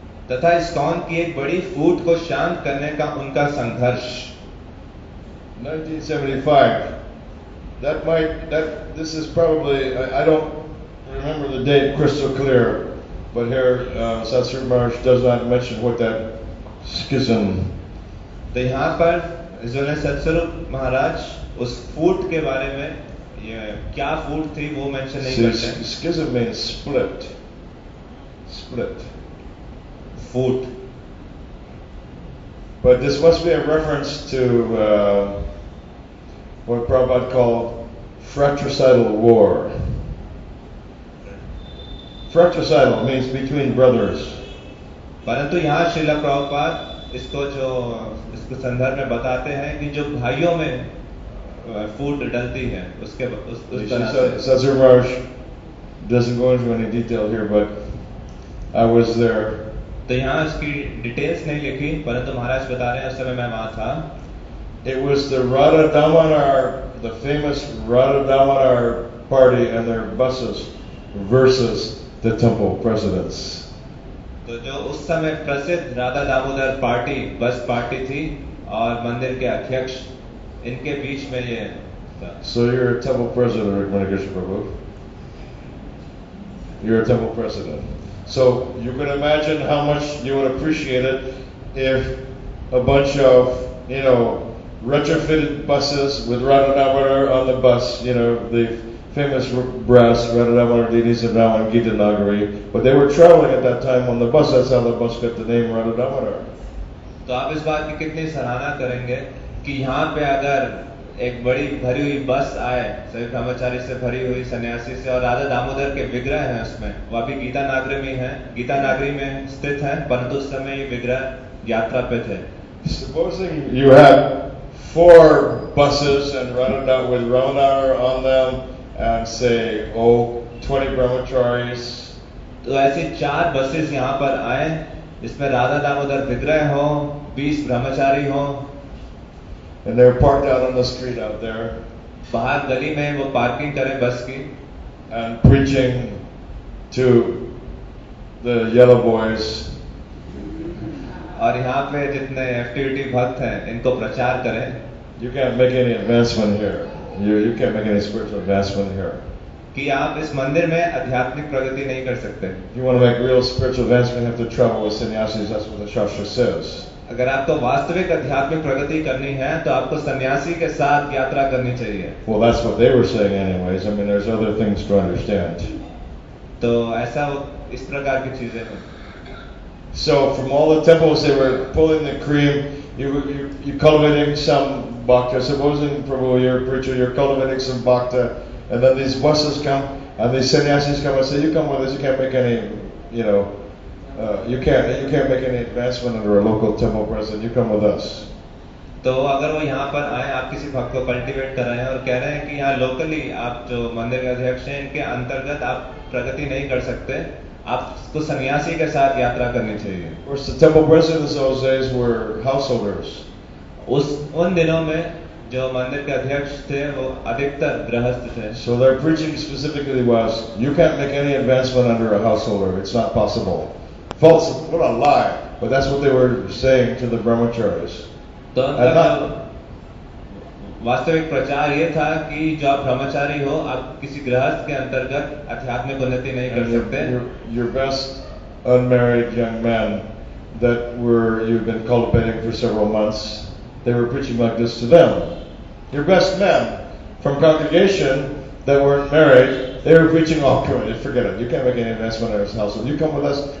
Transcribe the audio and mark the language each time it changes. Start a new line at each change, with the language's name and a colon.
Hindi: तथा ISKCON की एक बड़ी फूट को शांत करने का उनका संघर्ष.
English: 1975. This is probably I don't remember the date crystal clear, but here Satsri Maharaj does not mention what that schism
Hindi: तो यहाँ पर जो है सत्स्वरूप महाराज उस फूट के बारे में ये क्या फूट थी वो मेंशन नहीं करते हैं।
English: schism में split split
Hindi: foot
English: But this must be a reference to what Prabhupada call fratricidal war. Fratricidal means between brothers.
Hindi: परंतु यहाँ श्रील प्रभुपाद इसको जो इसके संदर्भ में बताते हैं कि जो भाइयों में फूट डलती है उसके उस तरह से
English: doesn't go into any detail here but I was there।
Hindi: तो यहाँ इसकी डिटेल्स नहीं लिखी परंतु महाराज बता रहे हैं उस समय मैं वहां था।
English: It was the Radha Damodar, the famous Radha Damodar party and their buses versus the temple presidents।
Hindi: तो जो उस समय प्रसिद्ध राधा दामोदर पार्टी बस पार्टी थी और मंदिर के अध्यक्ष इनके बीच में ये
English: So you are temple president Raghunath Prabhu you are temple president so you can imagine how much you would appreciate it if a bunch of you know retrofitted buses with Radha Damodar on the bus you know the famous brass, Radha Damodar Dinis and now on Gita Nagari, but they were traveling at that time on the bus, that's how the bus got the name Radha Damodar.
Hindi: तो आप इस बात की कितनी सराहना करेंगे कि यहाँ पे अगर एक बड़ी भरी हुई बस आए सभी ब्रह्मचारी से भरी हुई सन्यासी से और राधा दामोदर के विग्रह हैं उसमें वो अभी गीता नागरी में है गीता नागरी में स्थित है परंतु उस समय ये विग्रह यात्रा पे थे।
English: Supposing you have four buses and Radha Damodar with Radha on them and say, oh, 20 brahmacharis.
Hindi: तो ऐसे चार बसेस यहाँ पर आए जिसमें राधा दामोदर विग्रह हो 20 ब्रह्मचारी हो
English: and they're parked out on the street out there.
Hindi: बाहर गली में वो पार्किंग करें बस की
English: and preaching to the yellow boys.
Hindi: और यहाँ पे जितने एफटीटी भक्त हैं इनको प्रचार करें।
English: You can't make any advancement here. You can't make any spiritual advancement here.
Hindi: कि आप इस मंदिर में आध्यात्मिक प्रगति नहीं कर सकते।
English: You want to make real spiritual advancement, you have to travel with sannyasis. That's what the shastra says.
Hindi: अगर आपको वास्तविक आध्यात्मिक प्रगति करनी है, तो आपको सन्यासी के साथ यात्रा करनी चाहिए।
English: Well, that's what they were saying, anyways. I mean, there's other things to understand.
Hindi: तो ऐसा इस प्रकार की चीजें हैं।
English: So from all the temples, they were pulling the cream. You cultivating some bhakta. Supposing Prabhu, you're a preacher, you're cultivating some bhakta, and then these buses come and these sannyasis come and say, "You come with us. You can't make any, you know, you can't make any advancement under a local temple president. You come with us."
Hindi: तो अगर वो यहाँ पर आए आप किसी भक्त को cultivate कर रहे हैं और कह रहे हैं कि यहाँ locally आप जो मंदिर के अध्यक्ष हैं इनके अंतर्गत आप प्रगति नहीं कर सकते आपको सन्यासी के साथ यात्रा करनी चाहिए।
English: Of course, the temple presidents of those days were householders.
Hindi: उन दिनों में जो मंदिर के अध्यक्ष थे वो अधिकतर गृहस्थ थे।
English: So their preaching specifically was, you can't make any advancement under a householder. It's not possible. False, what a lie. But that's what they were saying to the brahmacharis.
Hindi: तो उनका वास्तविक प्रचार ये था कि जो आप ब्रह्मचारी हो आप किसी गृहस्थ के अंतर्गत आध्यात्मिक उन्नति नहीं कर सकते।
English: Your best unmarried young man that were you've been cultivating for several months. They were preaching like this to them. Your best men from congregation that weren't married, they were preaching, oh, come on, forget it. You can't make any investment in this household. You come with us.